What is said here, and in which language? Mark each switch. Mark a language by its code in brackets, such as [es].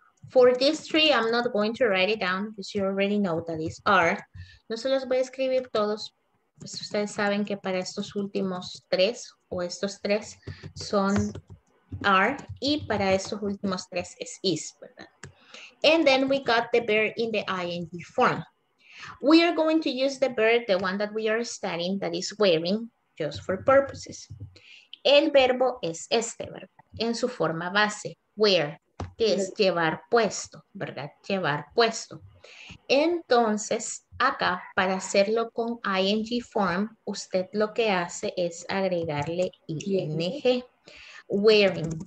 [en] For these three, I'm not going to write it down because you already know that these are. [es] No se los voy a escribir todos. Pues ustedes saben que para estos últimos tres, o estos tres, son are, y para estos últimos tres es is, ¿verdad? [en] And then we got the verb in the ing form. We are going to use the verb, the one that we are studying, that is wearing, just for purposes. [es] El verbo es este, ¿verdad? En su forma base, wear, que es llevar puesto, ¿verdad? Llevar puesto. Entonces, acá, para hacerlo con ing form, usted lo que hace es agregarle ing, wearing.